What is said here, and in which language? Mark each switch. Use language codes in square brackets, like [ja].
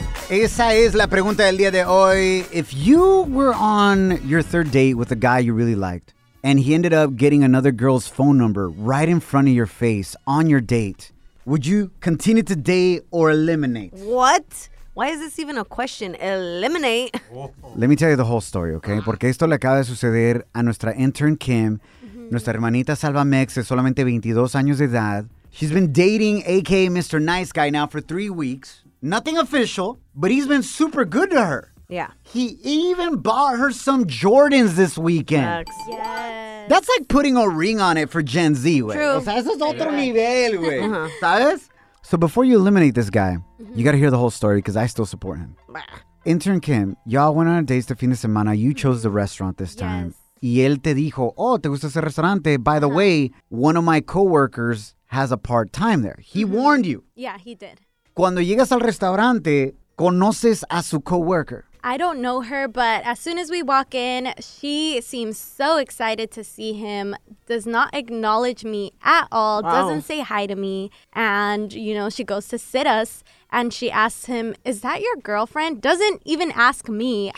[es] Esa es la pregunta del día de hoy. [en] If you were on your third date with a guy you really liked, and he ended up getting another girl's phone number right in front of your face on your date, would you continue to date or eliminate? What? Why is this even a question? Eliminate. Let me tell you the whole story, okay? [es] Porque esto le acaba de suceder a nuestra intern Kim. Mm-hmm. Nuestra hermanita Salva Mex es solamente 22 años de edad. [en] She's been dating AKA Mr. Nice Guy now for 3 weeks. Nothing official, but he's been super good to her. Yeah. He even bought her some Jordans this weekend. Yes. That's like putting a ring on it for Gen Z, güey. True. [es] O sea, eso es otro nivel, güey. ¿Sabes? [en] So before you eliminate this guy, you got to hear the whole story because I still support him. Bah. Intern Kim, y'all went on a date the [es] fin de semana. [en] You chose the restaurant this time. Yes. [es] Y él te dijo, oh, ¿te gusta ese restaurante? [en] By the way, one of my coworkers has a part-time there. He warned you. Yeah, he did. [es] Cuando llegas al restaurante, conoces a su coworker. [en] I don't know her, but as soon as we walk in, she seems so excited to see him, does not acknowledge me at all, wow. Doesn't say hi to me, and, you know, she goes to sit us, and she asks him, is that your girlfriend? Doesn't even ask me.